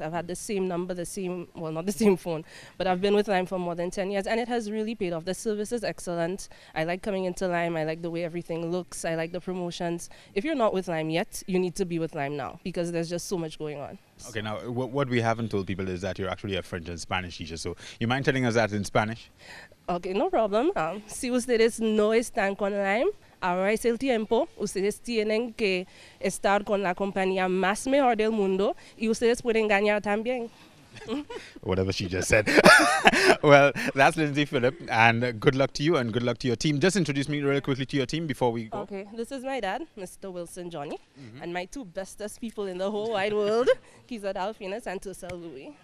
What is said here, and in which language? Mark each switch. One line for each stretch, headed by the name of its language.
English: I've had the same number, not the same phone, but I've been with Lime for more than 10 years, and it has really paid off. The service is excellent. I like coming into Lime. I like the way everything looks. I like the promotions. If you're not with Lime yet, you need to be with Lime now, because there's just so much going on. Okay, now what we haven't told people is that you're actually a French and Spanish teacher, so you mind telling us that in Spanish? Okay, no problem.
Spanish: Si ustedes no están con Lime, ahora es el tiempo. Ustedes tienen que estar con la compañía más mejor del mundo y ustedes pueden ganar también.
English: Whatever she just said. Well, that's Lindsay Phillip, and good luck to you and good luck to your team. Just introduce me really quickly to your team before we go. Okay, this is my dad, Mr. Wilson Johnny, and my two bestest people in the whole wide world, Kiza Dalfinas and Tussel Louis.